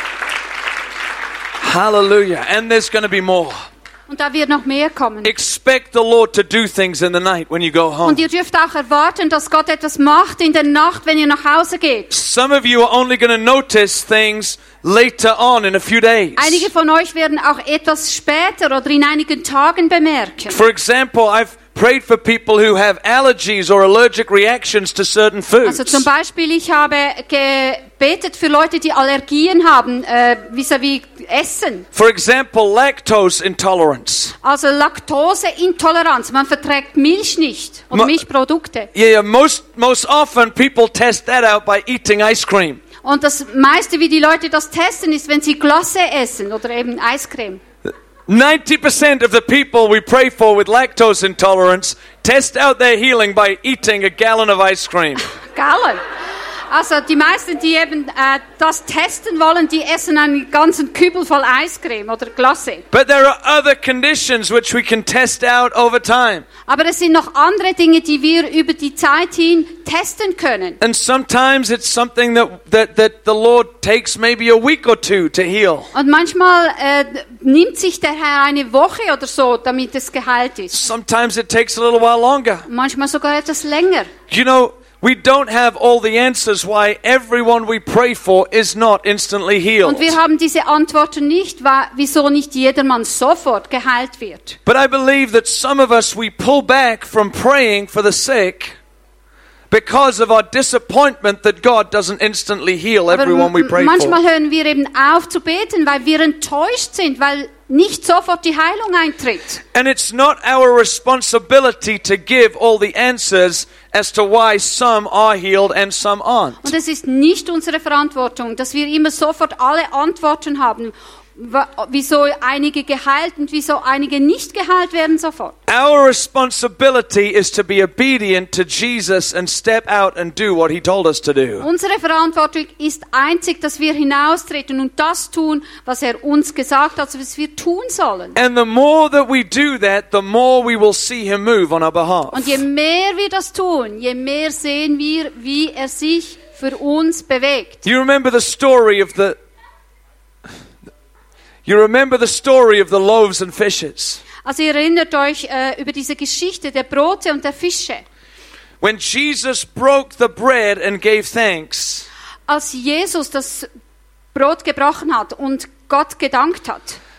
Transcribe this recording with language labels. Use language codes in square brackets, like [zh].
[en] Hallelujah. And there's going to be more. [de] Und da wird noch mehr kommen. [en] Expect the Lord to do things in the night when you go home. [de] Und ihr dürft auch erwarten, dass Gott etwas macht in der Nacht, wenn ihr nach Hause geht. [en] Some of you are only going to notice things later on in a few days. [de] Einige von euch werden auch etwas später oder in einigen Tagen bemerken. [en] For example, I've prayed for people who have allergies or allergic reactions to certain foods. [de] Also zum Beispiel, ich habe gebetet für Leute, die Allergien haben, vis-à-vis Essen. [en] For example, lactose intolerance. [de] Also Laktoseintoleranz. Man verträgt Milch nicht oder Milchprodukte. [en] Yeah, most often people test that out by eating ice cream. [de] Und das meiste, wie die Leute das testen, ist, wenn sie Glasse essen oder eben Eiscreme. [en] 90% of the people we pray for with lactose intolerance test out their healing by eating a gallon of ice cream. Gallon. [de] Also die meisten, die eben das testen wollen, die essen einen ganzen Kübel voll Eiscreme oder Glasse. [en] But there are other conditions which we can test out over time. [de] Aber es sind noch andere Dinge, die wir über die Zeit hin testen können. [en] And sometimes it's something that the Lord takes maybe a week or two to heal. [de] Und manchmal nimmt sich der Herr eine Woche oder so, damit es geheilt ist. [en] Sometimes it takes a little while longer. [de] Manchmal sogar etwas länger. [en] You know, we don't have all the answers why everyone we pray for is not instantly healed. [de] Und wir haben diese Antworten nicht, wieso nicht jedermann sofort geheilt wird. [en] But I believe that some of us, we pull back from praying for the sick because of our disappointment that God doesn't instantly heal everyone we pray for. [de] Manchmal hören wir eben auf zu beten, weil wir enttäuscht sind, weil nicht sofort die Heilung eintritt. [en] And it's not our responsibility to give all the answers as to why some are healed and some aren't. [de] Und es ist nicht unsere Verantwortung, dass wir immer sofort alle Antworten haben, wieso einige geheilt und wieso einige nicht geheilt werden sofort. [en] Our responsibility is to be obedient to Jesus and step out and do what he told us to do. [de] Unsere Verantwortung ist einzig, dass wir hinaustreten und das tun, was er uns gesagt hat, was wir tun sollen. [en] And the more that we do that, the more we will see him move on our behalf. [de] Und je mehr wir das tun, je mehr sehen wir, wie er sich für uns bewegt. [en] You remember the story of the loaves and fishes. [de] Also ihr erinnert euch über diese Geschichte der Brote und der Fische. [en] When Jesus broke the bread and gave thanks. [de] Als Jesus das Brot gebrochen hat und Gott gedankt hat.